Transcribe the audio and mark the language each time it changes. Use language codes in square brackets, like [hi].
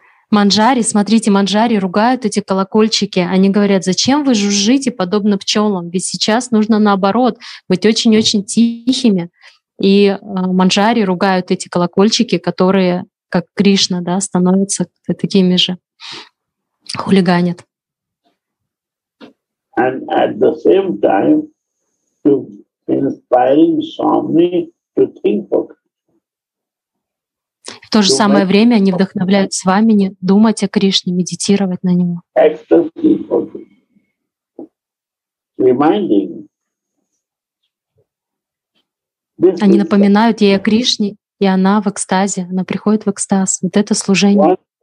[ru] Манджари, смотрите, манджари ругают эти колокольчики. Они говорят: зачем вы жужжите подобно пчелам? Ведь сейчас нужно наоборот быть очень-очень тихими. И манджари ругают эти колокольчики, которые, как Кришна, да, становятся такими же, хулиганят. [en] And at the same time, to inspiring Swami to think for... [ru] В то же самое время они вдохновляют Свамини думать о Кришне, медитировать на Него. Они напоминают ей о Кришне, и она в экстазе, она приходит в экстаз. Вот это служение.